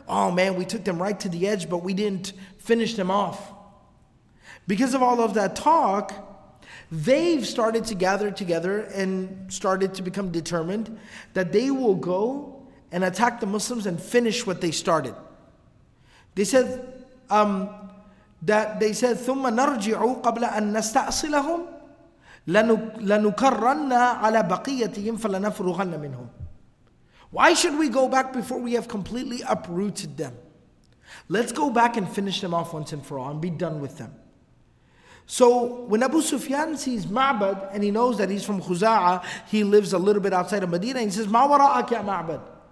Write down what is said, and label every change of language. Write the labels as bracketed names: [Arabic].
[English] Oh man, we took them right to the edge, but we didn't finish them off. Because of all of that talk, they've started to gather together and started to become determined that they will go and attack the Muslims and finish what they started. They said [Arabic] ثُمَّ نَرْجِعُ قَبْلَ أَن نَسْتَأْصِلَهُمْ لَنُكَرَّنَّا عَلَى بَقِيَّتِهِمْ فَلَنَفْرُغَنَّ مِنْهُمْ. [English] Why should we go back before we have completely uprooted them? Let's go back and finish them off once and for all and be done with them. So when Abu Sufyan sees Ma'bad and he knows that he's from Khuza'ah, he lives a little bit outside of Medina, and he says, [Arabic] مَا وَرَاءَكْ يَا [English] Ma'bad?